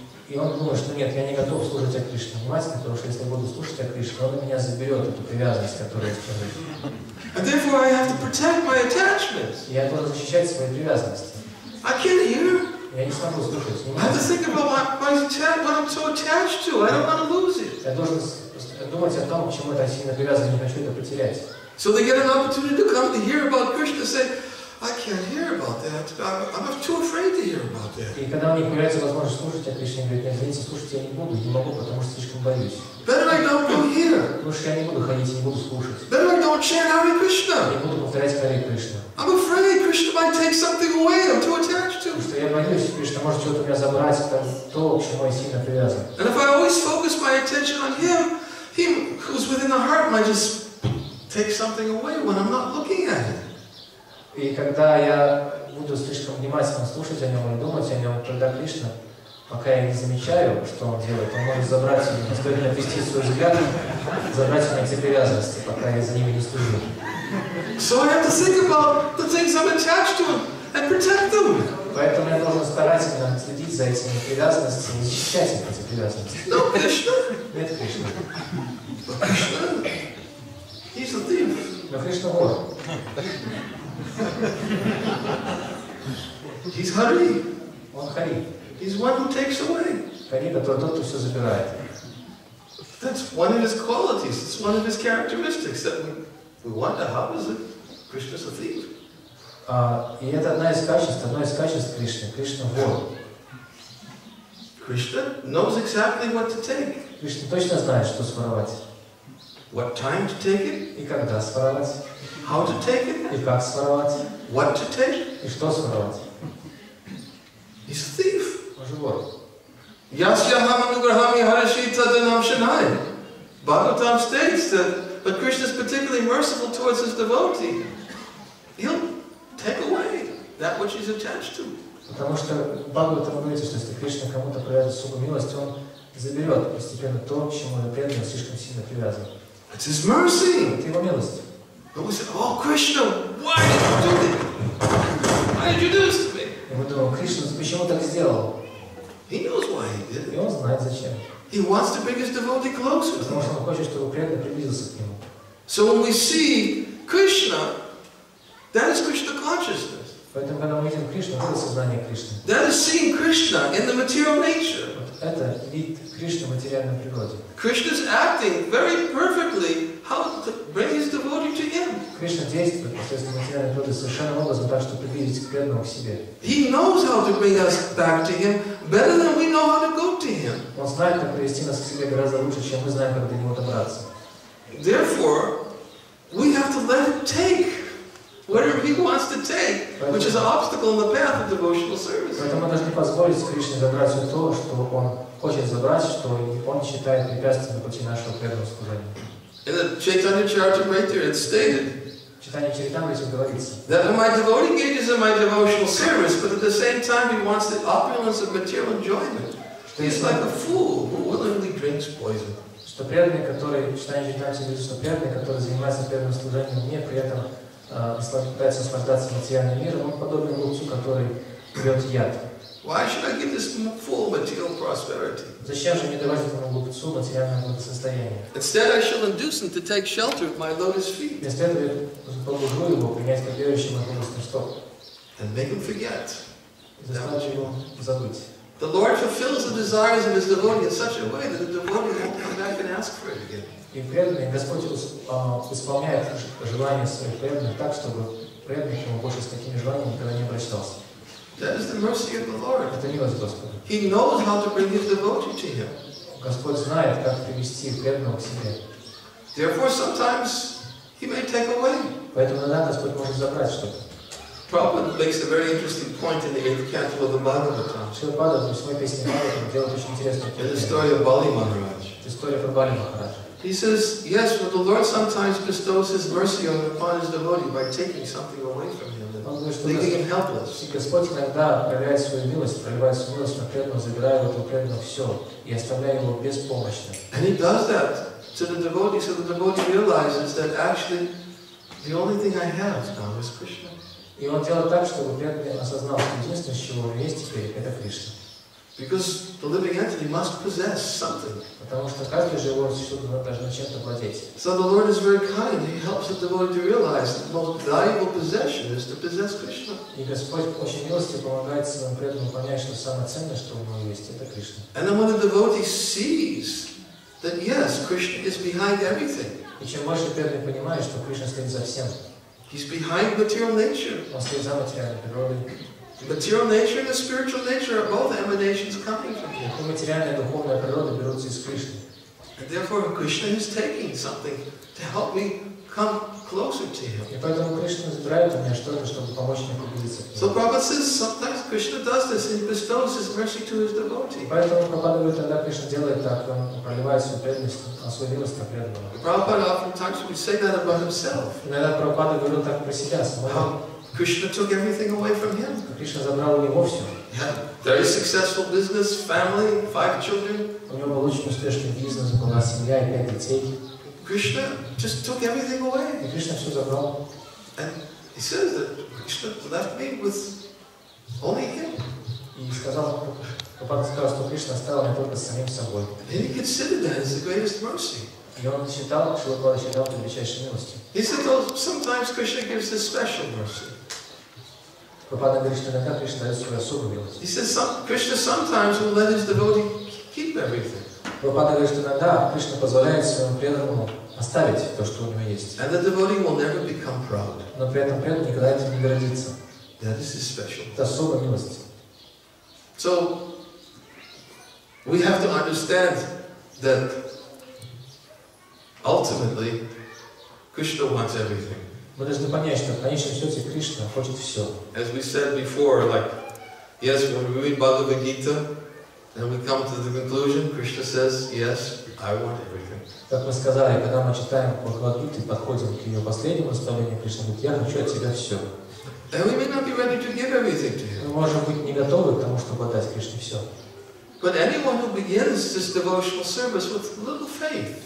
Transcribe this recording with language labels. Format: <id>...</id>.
<ru>И он думает, что нет, я не готов служить о Кришне внимательно, потому что если я буду слушать о Кришне, он у меня заберет эту привязанность, которую я скажу.</ru> <en>And therefore, I have to protect my attachment.</en> <ru>Я должен защищать свои привязанности.</ru> <en>I can't hear.</en> <ru>Я не смогу слушать.</ru> <en>I have to think about my attachment, what I'm so attached to. I don't want to lose it.</en> <ru>Я должен думать о том, к чему я сильно привязан, не хочу это потерять.</ru> <en>So they get an opportunity to come to hear about Krishna, say, I can't hear about that. I'm too afraid to hear about that.</en> <ru>И когда у них появляется возможность слушать о Кришне, говорит, нет, извините, слушать я не буду, не могу, потому что слишком боюсь.</ru> <en>Better I don't go here.</en> <ru>Потому что я не буду ходить и не буду слушать.</ru> <en>Better I don't chant Hare Krishna.</en> <ru>Не буду повторять Hare Krishna.</ru> <en>I'm afraid Krishna might take something away. I'm too attached to.</en> <ru>Потому что я боюсь, Кришна может чего-то у меня забрать, там, то, к чему я сильно привязан.</ru> <en>And if I always focus my attention on him, he who's within the heart might just take something away when I'm not looking at it.</en> <ru>И когда я буду слишком внимательно слушать о нем и думать о нем, тогда Кришна, пока я не замечаю, что он делает, он может забрать меня, стоит мне отвести свой взгляд, забрать у меня эти привязанности, пока я за ними не служу.</ru> <en>So I have to think about the things I'm attached to and protect them.</en> <ru>Поэтому я должен старательно следить за этими привязанностями и защищать их эти привязанности.</ru> <en>No, Krishna.</en> <ru>Нет, Кришна.</ru> <en>Krishna. He's a thief.</en> <ru>Но Кришна вор.</ru> <en>He's Hari.</en> <ru>Он Хари.</ru> <en>He's one who takes away.</en> <ru>Хари, который тот, кто все забирает.</ru> <en>That's one of his qualities. It's one of his characteristics that we wonder how is it Krishna's a thief.</en> <ru>И это одно из качеств Кришны. Кришна вор.</ru> <en>Krishna knows exactly what to take.</en> <ru>Кришна точно знает, что своровать.</ru> <en>What time to take it?</en> <ru>И когда своровать?</ru> <en>How to take it?</en> <ru>И как своровать?</ru> <en>What to take?</en> <ru>И что своровать?</ru> <en>He's a thief.</en> <ru>Он же вор.</ru> <sa>Yasya hamanugrahami harashita dhanam shanai.</sa> <en>Bhagavatam states that but Krishna is particularly merciful towards his devotee. He'll take away that which he's attached to.</en> <ru>Потому что Бхагаватам говорит, что если Кришна кому-то проявит особую милость, он заберет постепенно то, к чему он преданно слишком сильно привязан.</ru> <en>It's his mercy.</en> <ru>Это его милость.</ru> <en>And we said, oh, Krishna, why did you do this? Why did you do this to me?</en> <ru>И мы думаем, Кришна, почему так сделал?</ru> <en>He knows why he did it.</en> <ru>И он знает, зачем.</ru> <en>He wants to bring his devotee closer.</en> <ru>Потому что он хочет, чтобы преданный приблизился к нему.</ru> <en>So when we see Krishna That is Krishna consciousness.</en> <ru>Поэтому когда мы видим Кришну, это сознание Кришны.</ru> <en>That is seeing Krishna in the material nature.</en> <ru>Это вид Кришны в материальной природе.</ru> <en>Krishna is acting very perfectly how to bring his devotee to him.</en> <ru>Кришна действует посредством материальной природы совершенно образом так, чтобы приблизить преданного к себе.</ru> <en>He knows how to bring us back to him better than we know how to go to him.</en> <ru>Он знает, как привести нас к себе гораздо лучше, чем мы знаем, как до него добраться.</ru> <en>Therefore, we have to let him take whatever he wants to take, which is an obstacle in the path of devotional service.</en> <ru>Поэтому мы должны позволить Кришне забрать все то, что он хочет забрать, что он считает препятствием на пути нашего преданного служения.</ru> <en>In the Chaitanya Charitamrita, it's stated that when my devotee engages in my devotional service, but at the same time he wants the opulence of material enjoyment, he's like a fool who willingly drinks poison.</en> <ru>Что преданный, который читает читание, безусловно, преданный, который занимается преданным служением, не при этом пытается наслаждаться материальным миром, он подобен глупцу, который пьет яд.</ru> <en>Why should I give this fool material prosperity?</en> <ru>Зачем же мне давать этому глупцу материальное благосостояние?</ru> <en>Instead, I shall induce him to take shelter at my lotus feet.</en> <ru>Вместо этого я побужу его принять как верующего моего лотоса.</ru> <en>And make him forget.</en> <ru>Заставлю его забыть.</ru> <en>The Lord fulfills the desires of his devotee in such a way that the devotee won't come back and ask for it again.</en> <ru>И преданный Господь исполняет желания своих преданных так, чтобы преданный ему больше с такими желаниями никогда не обращался.</ru> <en>That is the mercy of the Lord.</en> <ru>Это милость Господа.</ru> <en>He knows how to bring his devotee to him.</en> <ru>Господь знает, как привести преданного к себе.</ru> <en>Therefore, sometimes he may take away.</en> <ru>Поэтому иногда Господь может забрать что-то.</ru> <en>Prabhupada makes a very interesting point in the 8th canto of the Bhagavatam. In the story of Bali Maharaj. He says, yes, but the Lord sometimes bestows his mercy upon his devotee by taking something away from him. Leaving him helpless.</en> <ru>И Господь иногда проявляет свою милость, проливает свою милость на преданного, забирая у этого преданного все и оставляя его беспомощным.</ru> <en>And he does that to the devotee, so the devotee realizes that actually the only thing I have now is Krishna.</en> <ru>И он делает так, чтобы преданный осознал, что единственное, с чего у него есть теперь, это Кришна.</ru> <en>Because the living entity must possess something.</en> <ru>Потому что каждый живой существо должно чем-то владеть.</ru> <en>So the Lord is very kind. He helps the devotee to realize that the most valuable possession is to possess Krishna.</en> <ru>И Господь очень милостиво помогает своему преданному понять, что самое ценное, что у него есть, это Кришна.</ru> <en>And then when the devotee sees that yes, Krishna is behind everything.</en> <ru>И чем больше преданный понимает, что Кришна стоит за всем.</ru> <en>He's behind material nature.</en> <ru>Он стоит за материальной природой.</ru> <en>Material nature and the spiritual nature are both emanations coming from him.</en> <ru>Его материальная и духовная природа берутся из Кришны.</ru> <en>And therefore, Krishna is taking something to help me come closer to him.</en> <ru>И поэтому Кришна забирает у меня что-то, чтобы помочь мне приблизиться к нему.</ru> <en>So Prabhupada says sometimes Krishna does this and he bestows his mercy to his devotee.</en> <ru>Поэтому Прабхупада говорит, когда Кришна делает так, он проливает свою преданность, он свою милость на преданного.</ru> <en>Prabhupada oftentimes we say that about himself.</en> <ru>Иногда Прабхупада говорит так про себя.</ru> <en>Krishna took everything away from him.</en> <ru>Кришна забрал у него все.</ru> <en>Yeah, very successful business, family, 5 children.</en> <ru>У него был очень успешный бизнес, была семья и 5 детей.</ru> <en>Krishna just took everything away.</en> <ru>И Кришна все забрал.</ru> <en>And he says that Krishna left me with only him.</en> <ru>И сказал, Прабхупада сказал, что Кришна оставил меня только с самим собой.</ru> <en>And he considered that as the greatest mercy.</en> <ru>И он считал, что Бог считал это величайшей милостью.</ru> <en>He said, well, sometimes Krishna gives this special mercy.</en> <ru>Прабхупада говорит, что иногда Кришна дает свою особую милость.</ru> <en>He said, Krishna sometimes will let his devotee keep everything.</en> <ru>Прабхупада говорит, что иногда Кришна позволяет своему преданному оставить то, что у него есть.</ru> <en>And the devotee will never become proud.</en> <ru>Но при этом преданный никогда этим не гордится.</ru> <en>That is his special.</en> <ru>Это особая милость.</ru> <en>So we have to understand that ultimately, Krishna wants everything.</en> <ru>Мы должны понять, что в конечном счете Кришна хочет все.</ru> <en>As we said before, like, yes, when we read Bhagavad Gita, then we come to the conclusion, Krishna says, yes, I want everything.</en> <ru>Как мы сказали, когда мы читаем Бхагавад Гиту, подходим к ее последнему наставлению, Кришна говорит, я хочу от тебя все.</ru> <en>And we may not be ready to give everything to him.</en> <ru>Мы можем быть не готовы к тому, чтобы отдать Кришне все.</ru> <en>But anyone who begins this devotional service with little faith.</en>